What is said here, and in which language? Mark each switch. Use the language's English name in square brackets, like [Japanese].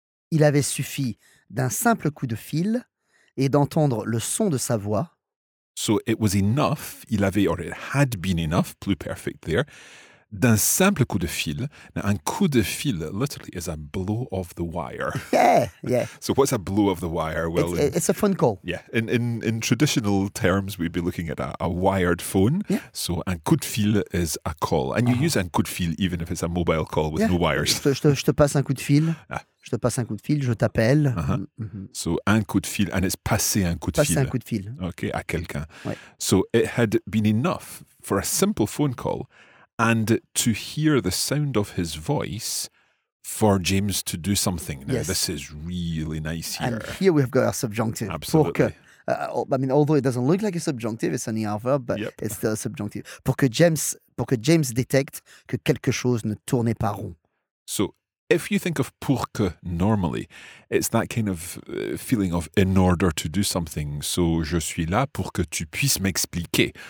[French] Il avait suffi d'un simple coup de fil et d'entendre le son de sa voix. [English] So it was enough, [French] il avait, [English] or it had been enough, plus perfect there, [French] d'un simple coup de fil. [English] Now, [French] un coup de fil, [English] literally, is a blow of the wire. Yeah, yeah. So what's a blow of the wire? Well, it's a phone call. Yeah, in traditional terms, we'd be looking at a wired phone. Yeah. So [French] un coup de fil [English] is a call. And you use un coup de fil even if it's a mobile call with no wires. [French] Je te passe un coup de fil. Ah. Je te passe un coup de fil, je t'appelle. [English] Uh-huh. Mm-hmm. So [French] un coup de fil, [English] and it's [French] passer un coup de fil. Passer un coup de fil. Okay, à quelqu'un. Ouais. [English] So it had been enough for a simple phone call and to hear the sound of his voice for James to do something. Now, yes. This is really nice here. And here we've got our subjunctive. Absolutely. Pour que, I mean, although it doesn't look like a subjunctive, it's an ER verb, but it's still a subjunctive. [French] Pour que James détecte que quelque chose ne tournait pas rond. [English] So, if you think of pour que normally, it's that kind of feeling of in order to do something. So, [French] je suis là pour que tu puisses m'expliquer.